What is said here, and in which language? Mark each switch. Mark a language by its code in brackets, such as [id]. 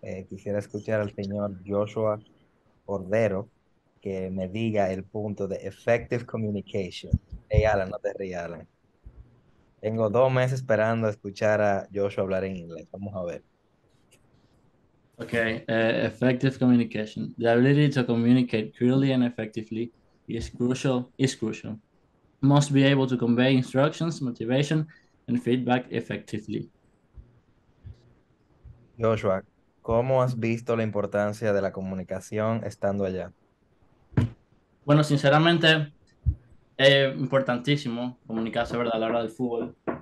[es] Quisiera escuchar al señor Joshua Cordero que me diga el punto de [en] effective communication. [es] Hey, Alan, no te rías, Alan. Tengo 2 meses esperando escuchar a Joshua hablar en inglés. Vamos a ver. [en] Okay, effective communication. The ability to communicate clearly and effectively is crucial. Must be able to convey instructions, motivation, and feedback effectively. [es] Joshua, ¿cómo has visto la importancia de la comunicación estando allá? Bueno, sinceramente, importantísimo comunicarse, ¿verdad?, a la hora del fútbol.